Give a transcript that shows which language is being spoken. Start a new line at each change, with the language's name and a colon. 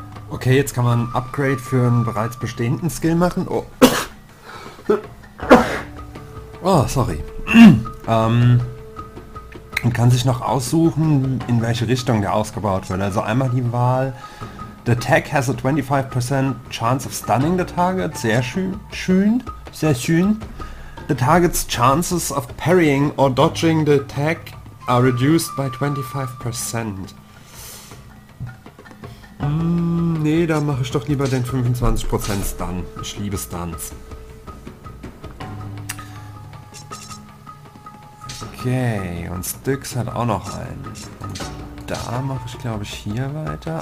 German: Okay, jetzt kann man ein Upgrade für einen bereits bestehenden Skill machen.
English: Oh, sorry.
German: Und kann sich noch aussuchen, in welche Richtung der ausgebaut wird. Also einmal die Wahl.
English: The tag has a 25% chance of stunning the target.
German: Sehr schön. Sehr schön.
English: The target's chances of parrying or dodging the tag are reduced by 25%.
German: Nee, da mache ich doch lieber den 25% Stun. Ich liebe Stuns. Okay, und Styx hat auch noch einen. Und da mache ich, glaube ich, hier weiter.